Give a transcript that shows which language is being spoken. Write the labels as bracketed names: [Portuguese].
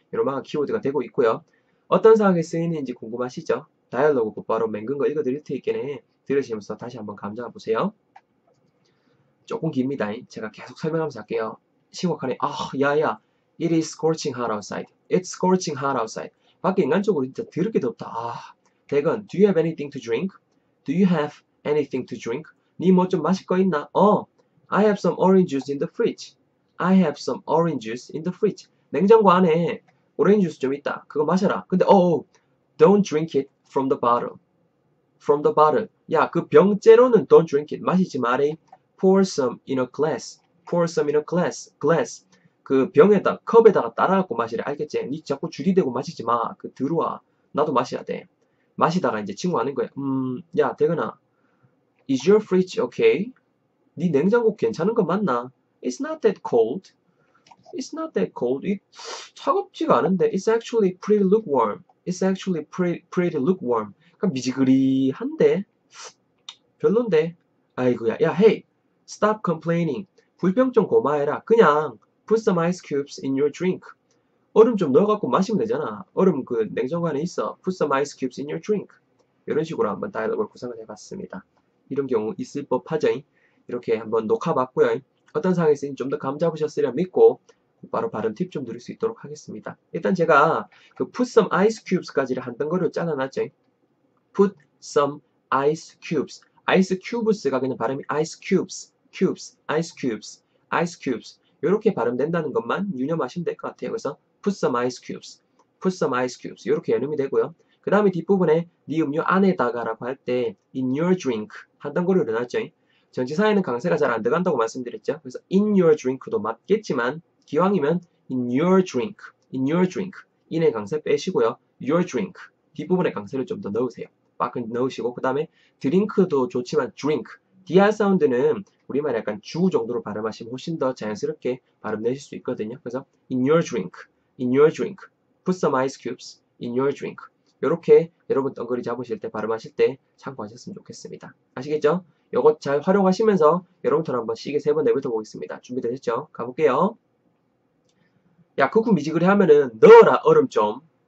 [Korean] 이런 키워드가 되고 있고요. 어떤 상황에 쓰이는지 궁금하시죠? 다이얼로그 곧바로 맹근 거 읽어드릴 테니까 들으시면서 다시 한번 감상해 보세요. 조금 깁니다. 제가 계속 설명하면서 할게요. 심각하네. 아, 야야. [English] It is scorching hot outside. It's scorching hot outside. [Korean] 밖에 인간적으로 진짜 더럽게 덥다. [English] 아, 대건, do you have anything to drink? Do you have anything to drink? [Korean] 네 뭐 좀 마실 거 있나? [English] 어, I have some orange juice in the fridge. I have some orange juice in the fridge. [Korean] 냉장고 안에 오렌지 주스 좀 있다. 그거 마셔라. [English] 근데, oh, don't drink it from the bottle. From the bottle. [Korean] 야, 그 병째로는 [English] don't drink it. [Korean] 마시지 마래. [English] Pour some in a glass. Pour some in a glass. Glass. [Korean] 그 병에다, 컵에다가 따라갖고 마시래. 알겠지? 니 자꾸 줄이대고 마시지 마. 그 들어와. 나도 마셔야 돼. 마시다가 이제 친구 하는 거야. [English] 야, 대근아. Is your fridge okay? [Korean] 니 냉장고 괜찮은 거 맞나? [English] It's not that cold. It's not that cold. It, [Korean] 차갑지가 않은데. [English] It's actually pretty lukewarm. It's actually pretty lukewarm. [Korean] 그러니까 미지근한데. 별론데. 아이고야. 야, hey. [English] Stop complaining. [Korean] 불평 좀 고마해라. [English] 그냥 put some ice cubes in your drink. [Korean] 얼음 좀 넣어갖고 마시면 되잖아. 얼음 그 냉장고 안에 있어. [English] Put some ice cubes in your drink. [Korean] 이런 식으로 한번 다이얼로그를 구성을 해봤습니다. 이런 경우 있을 법하죠. 이렇게 한번 녹화봤고요. 어떤 상황에서 좀 더 감 잡으셨으리라 믿고 바로 발음 팁 좀 드릴 수 있도록 하겠습니다. 일단 제가 그 [English] put some ice cubes [Korean] 까지를 한 덩어리로 잘라놨죠. [English] put some ice cubes. ice cubes가 [Korean] 그냥 발음이 [English] ice cubes, cubes, ice cubes, ice cubes. [Korean] 이렇게 발음된다는 것만 유념하시면 될 것 같아요. [English] 그래서 put some ice cubes, put some ice cubes. [Korean] 이렇게 연음이 되고요. 그 다음에 뒷부분에 네 음료 안에다가라고 할 때 [English] in your drink [Korean] 한 덩어리로 넣어놨죠. 전치사에는 강세가 잘 안 들어간다고 말씀드렸죠. [English] 그래서 in your drink도 [Korean] 맞겠지만 기왕이면 [English] in your drink, in your drink. [Korean] in의 강세 빼시고요. [English] your drink, [Korean] 뒷부분에 강세를 좀 더 넣으세요. 빠끈 넣으시고 그 다음에 drink도 좋지만 drink, dr 사운드는 우리말 약간 주 정도로 발음하시면 훨씬 더 자연스럽게 발음 내실 수 있거든요. [English] 그래서 in your drink, put some ice cubes in your drink. [Korean] 이렇게 여러분 덩그리 잡으실 때 발음하실 때 참고하셨으면 좋겠습니다. 아시겠죠? 요거 잘 활용하시면서 여러분처럼 한번 시계 세 번 내뱉어 보겠습니다. 준비되셨죠? 가볼게요. 야, 쿠쿠 미지근해 하면은 넣어라 얼음 좀.